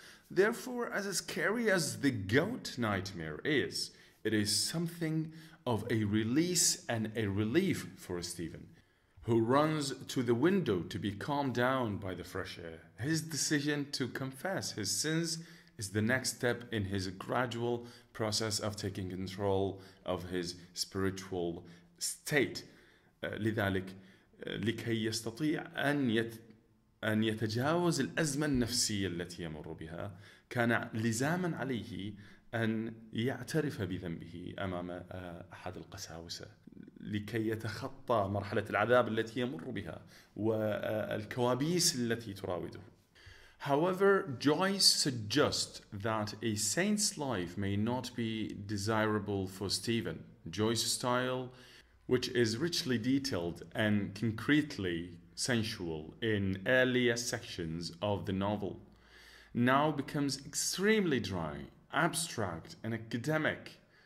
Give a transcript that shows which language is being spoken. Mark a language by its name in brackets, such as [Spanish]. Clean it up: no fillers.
[English] Therefore, as scary as the goat nightmare is, it is something of a release and a relief for Stephen, who runs to the window to be calmed down by the fresh air. His decision to confess his sins is the next step in his gradual process of taking control of his spiritual state. [Arabic] لذلك لكي يستطيع أن يتجاوز الأزمة النفسية التي يمر بها كان لزاما عليه أن يعترف بذنبه أمام أحد القساوسة لكي يتخطى مرحلة العذاب التي يمر بها والكوابيس التي تراوده. [English] However, Joyce suggests that a saint's life may not be desirable for Stephen. Joyce's style, which is richly detailed and concretely sensual in earlier sections of the novel, now becomes extremely dry, abstract, and academic.